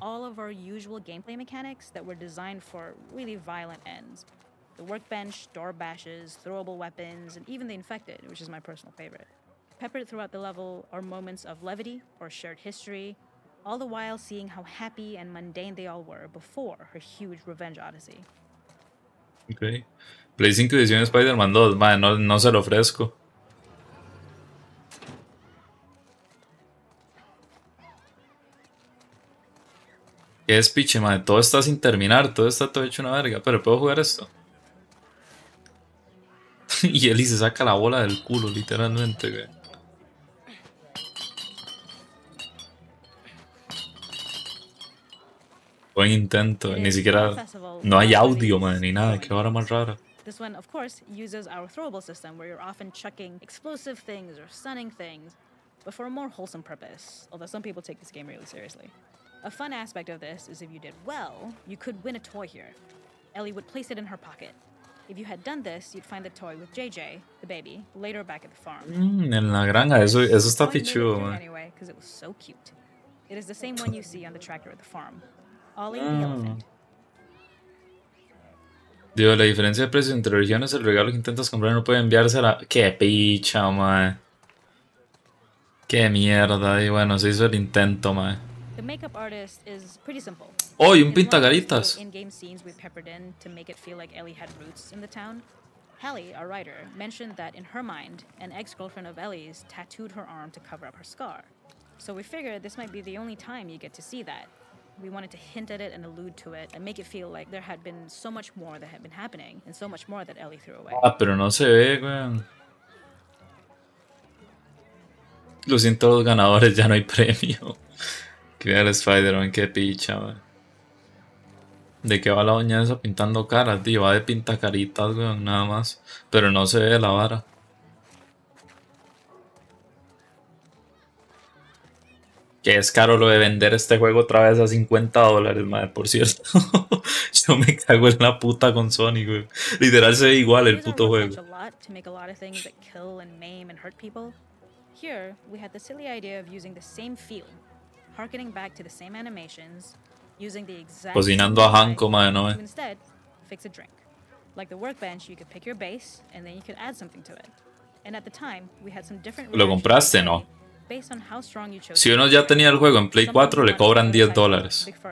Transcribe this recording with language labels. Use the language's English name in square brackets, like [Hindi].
[English] All of our usual gameplay mechanics that were designed for really violent ends. The workbench, door bashes, throwable weapons, and even the infected, which is my personal favorite. Peppered throughout the level are moments of levity or shared history, all the while seeing how happy and mundane they all were before her huge revenge odyssey. Okay. [Spanish] Play 5 edición de Spider-Man 2, madre, no, no se lo ofrezco. ¿Qué es, piche, madre? Todo está sin terminar, todo está todo hecho una verga, pero puedo jugar esto. Y Ellie se saca la bola del culo, literalmente, güey. Buen intento, ni siquiera. No hay audio, man, ni nada, qué vara más rara. [English] This one, of course, uses our throwable system where you're often chucking explosive things or stunning things, but for a more wholesome purpose, although some people take this game really seriously. A fun aspect of this is if you did well, you could win a toy here. Ellie would place it in her pocket. If you had done this, you'd find the toy with JJ, the baby, later back at the farm. [Spanish] En la granja, eso está pichudo, man. [English] Anyway, because it was so cute. It is the same one you see on the tractor at the farm. Ollie, the elephant. [Spanish] Digo, la diferencia de precios entre regiones, el regalo que intentas comprar no puede enviarse a la... ¡Qué picha, mae! ¡Qué mierda! Y bueno, se hizo el intento, mae. [English] The makeup artist is pretty simple. [Spanish] ¡Oh, y un pintagaritas! [English] In-game scenes we peppered in to make it feel like Ellie had roots in the town. Hallie, our writer, mentioned that in her mind, an ex-girlfriend of Ellie's tattooed her arm to cover up her scar. So we figured this might be the only time you get to see that. We wanted to hint at it and allude to it and make it feel like there had been so much more that had been happening and so much more that Ellie threw away. [Spanish] Ah, pero no se ve, weón. Lo siento, los ganadores, ya no hay premio. Que vea el Spider-Man, qué picha, weón. ¿De qué va la doña esa pintando caras? Tío, va de pintacaritas, weón, nada más. Pero no se ve la vara. Que es caro lo de vender este juego otra vez a $50, madre, por cierto. Yo me cago en la puta con Sony, güey. Literal se ve igual el puto juego. [English] To make a lot of things that kill and maim and hurt people. Here, we had the silly idea of using the same feel, harkening back to the same animations, using the exact... [Spanish] Cocinando a Hanko, madre, no, eh. [English] Instead, fix a drink. Like the workbench, you could pick your base, and then you could add something to it. And at the time, we had some different... [Spanish] Lo compraste, ¿no? Si uno ya tenía el juego en Play 4, le cobran $10.